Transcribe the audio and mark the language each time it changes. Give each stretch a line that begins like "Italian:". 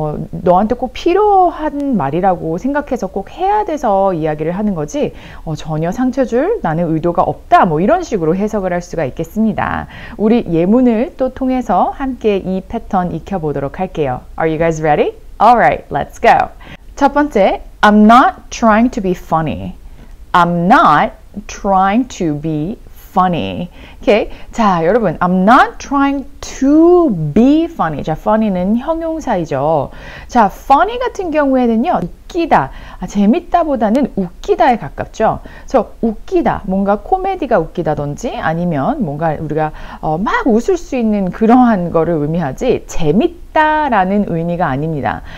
Korean: 너한테 꼭 필요한 말이라고 생각해서 꼭 해야 돼서 이야기를 하는 거지 전혀 상처 줄 나는 의도가 없다. 뭐 이런 식으로 해석을 할 수가 있겠습니다. 우리 예문을 또 통해서 함께 이 패턴 익혀보도록 할게요.
English: Are you guys ready? Alright, let's go.
Korean: 첫 번째,
English: I'm not trying to be funny. I'm not trying to be funny. Okay?
Korean: 자, 여러분,
English: I'm not trying to be funny.
Korean: 자, funny는 형용사이죠. 자, funny 같은 경우에는요, 웃기다, 재밌다 보다는 웃기다에 가깝죠. 그래서 웃기다, 뭔가 코미디가 웃기다든지 아니면 뭔가 우리가 막 웃을 수 있는 그러한 거를 의미하지 재밌다라는 의미가 아닙니다.